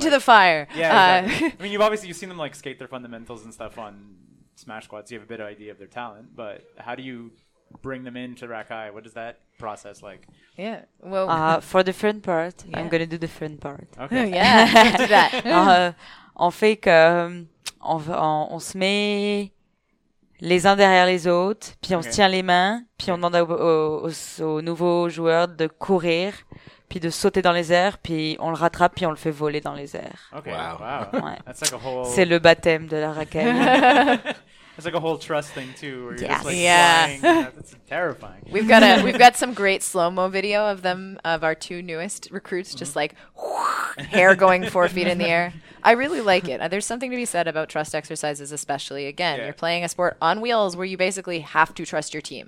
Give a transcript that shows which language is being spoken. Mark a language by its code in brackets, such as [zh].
[en] into, like, the fire? Yeah. Exactly. I mean, you've seen them like skate their fundamentals and stuff on Smash Squad, so you have a bit of idea of their talent, but how do you bring them into Rakai? What is that process like? Yeah. Well, for the fun part, I'm going to do the fun part. Okay. Yeah. Do that. [fr] En fait, on se met les uns derrière les autres, puis on se tient les mains, puis on demande aux nouveaux joueurs de courir, puis de sauter dans les airs, puis on le rattrape, puis on le fait voler dans les airs. [en] Okay. Wow. [fr] Ouais. [en] That's like a whole... [fr] C'est le baptême de la raquette. [en] It's like a whole trust thing too, where you're just like flying. That's terrifying. We've got some great slow-mo video of them, of our two newest recruits, just like hair going 4 feet in the air. I really like it. There's something to be said about trust exercises, especially, again, you're playing a sport on wheels where you basically have to trust your team.